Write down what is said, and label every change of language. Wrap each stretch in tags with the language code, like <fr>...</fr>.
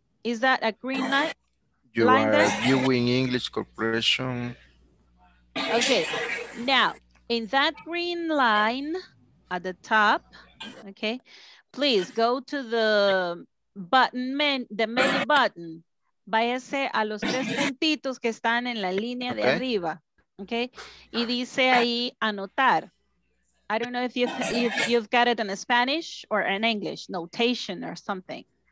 <en>Is that a green light? You line are there? Viewing English Corporation. Okay, now, in that green line at the top, okay, please go to the button, the menu button.</en> <es>Váyase a los tres puntitos que están en la línea de arriba, okay? Y dice ahí, anotar.</es> <en>I don't know if you've got it in Spanish or in English, notation or something.</en>